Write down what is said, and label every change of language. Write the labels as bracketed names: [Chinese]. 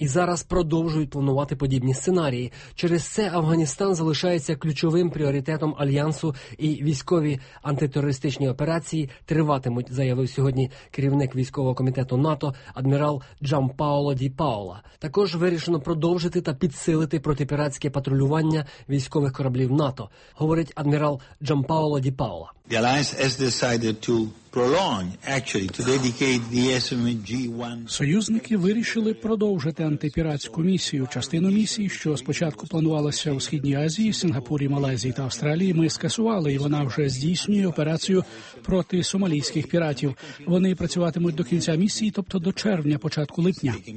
[Ukrainian] І зараз продовжують планувати подібні сценарії. Через це Афганістан залишається ключовим пріоритетом Альянсу, і військові антитерористичні операції триватимуть, заявив сьогодні керівник військового комітету НАТО адмірал Джан Паоло Ді Паола. Також вирішено продовжити та підсилити протипіратське патрулювання військових кораблів НАТО, говорить адмірал Джан Паоло Ді Паола. [English] The Alliance has decided to prolong, actually, to dedicate the SMG-1... [Ukrainian] Союзники вирішили продовжити антипіратську місію. Частину місії, що спочатку планувалася у Східній Азії, Сінгапурі, Малайзії та Австралії, ми скасували, і вона вже здійснює операцію проти сомалійських піратів. Вони працюватимуть до кінця місії, тобто до червня, початку липня.